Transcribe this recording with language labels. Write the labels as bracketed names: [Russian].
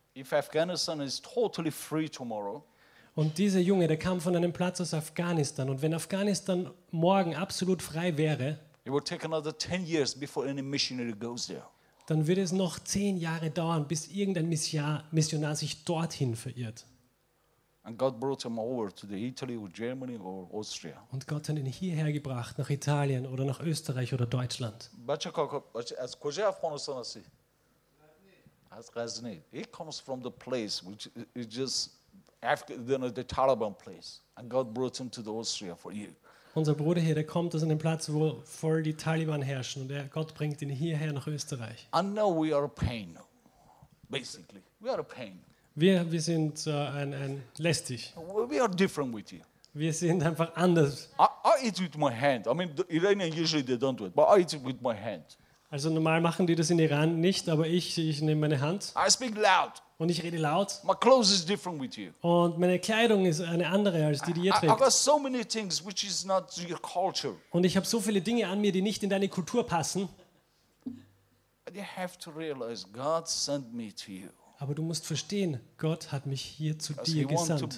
[English] If Afghanistan is totally free tomorrow. [German] Und dieser Junge, der kam von einem Platz aus Afghanistan. Und wenn Afghanistan morgen absolut frei wäre, [English] it will take another 10 years before any missionary goes there. [German] Dann würde es noch 10 Jahre dauern, bis irgendein Missionar sich dorthin verirrt. [English] And God brought him over to the Italy or Germany or Austria. [German] Und Gott hat ihn hierher gebracht, nach Italien oder nach Österreich oder Deutschland. Aus Kojae, Afghanistan. Aus Ghazni. [English] He comes from the place which is just after the Taliban place, and God brought him to the Austria for you. [German] Unser Bruder hier, der kommt aus einem Platz, wo voll die Taliban herrschen, und Gott bringt ihn hierher nach Österreich. [English] I know we are a pain. Basically, we are a pain. [German] Wir sind ein lästig. [English] We are different with you. [German] Wir sind einfach anders. [English] I eat with my hand. I mean, the Iranians usually they don't do it, but I eat with my hand. [German] Also normal machen die das in Iran nicht, aber ich nehme meine Hand. [English] I speak loud. [German] Und ich rede laut. [English] My clothes is different with you. [German] Und meine Kleidung ist eine andere als die ihr trägt. [English] I got so many things which is not your culture. [German] Und ich habe so viele Dinge an mir, die nicht in deine Kultur passen. [English] But you have to realize God sent me to you. [German] Aber du musst verstehen, Gott hat mich hier zu dir gesandt.